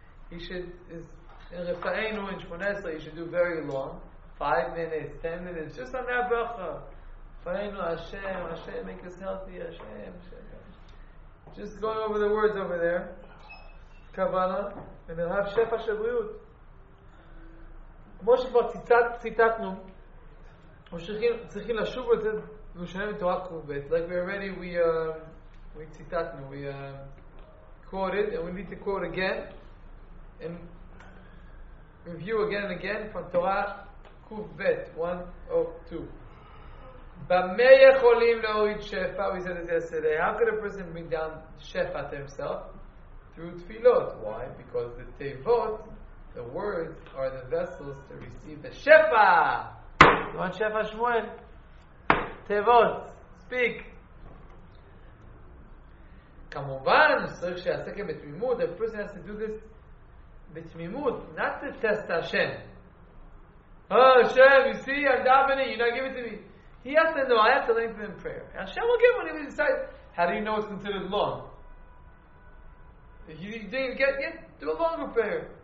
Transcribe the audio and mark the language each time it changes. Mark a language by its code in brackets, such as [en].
[en] He should, in רפאינו, in 18, he should do very long, 5 minutes, 10 minutes, just on that bracha. רפאינו, Hashem, Hashem, make us healthy, Hashem, just going over the words over there, Kavana, and he'll have Shefa Shebriut. [he] כמו שכבר ציטטנו, צריכים לשוב את זה לשנה מתורה קרובית. [en] Like we already we ציטטנו, we quoted, and we need to quote again and review again and again from Torah Kuvvet 102. [he] במה יכולים להוריד שפע? [en] We said it yesterday. How could a person bring down שפע to himself? Through tefillot. Why? Because the tevot, the words, are the vessels to receive the שפע. You want שפע, Shmuel? Tevot, speak. [he] כמובן, צריך שיעסק בתמימות. [en] A person has to do this בתמימות, not to test Hashem. Oh, Hashem, you see, I'm davening, you're not giving it to me. He has to know, I have to lengthen in prayer. And Hashem will give when he decides. How do you know it's considered long? You didn't get yet, do a longer prayer.